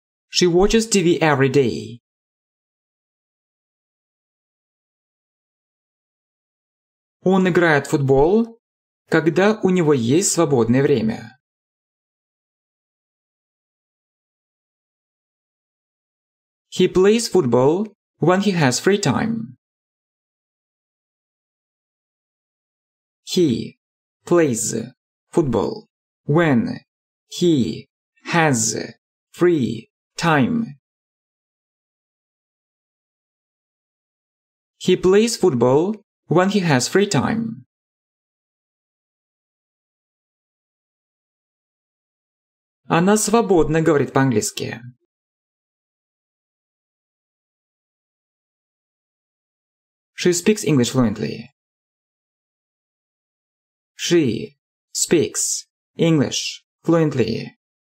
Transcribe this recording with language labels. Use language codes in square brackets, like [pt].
[en] She watches TV every day. [ru] Он играет в футбол, когда у него есть свободное время. [en] He plays football when he has free time. He plays football when he has free time. He plays football when he has free time. [ru] Она свободно говорит по-английски. [en] She speaks English fluently. She speaks English fluently.